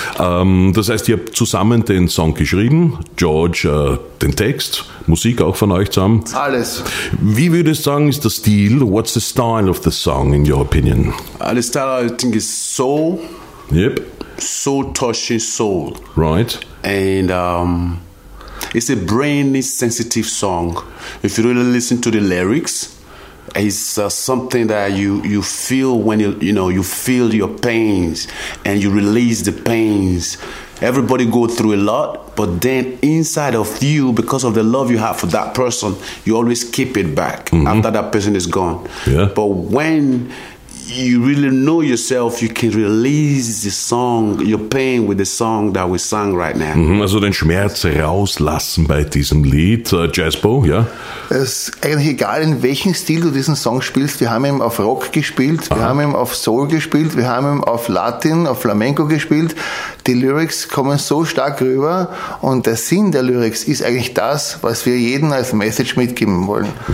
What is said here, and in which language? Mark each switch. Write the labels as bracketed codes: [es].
[de] Das heißt, ihr habt zusammen den Song geschrieben. George den Text, Musik auch von euch zusammen. Alles. Wie würdest du sagen, ist der Stil? [en] What's the style of the song, in your opinion? The style, I think, is soul. Yep. Soul-touching soul. Right. And it's a brain-sensitive song. If you really listen to the lyrics, it's something that you feel when you feel your pains and you release the pains. Everybody go through a lot, but then inside of you, because of the love you have for that person, you always keep it back after that person is gone. Yeah. But when you really know yourself, you can release the song, your pain with the song that we sang right now. [de] Also den Schmerz rauslassen bei diesem Lied, Jazzbo, ja? Es ist eigentlich egal, in welchem Stil du diesen Song spielst. Wir haben ihn auf Rock gespielt, wir haben ihn auf Soul gespielt, wir haben ihn auf Latin, auf Flamenco gespielt. Die Lyrics kommen so stark rüber und der Sinn der Lyrics ist eigentlich das, was wir jedem als Message mitgeben wollen.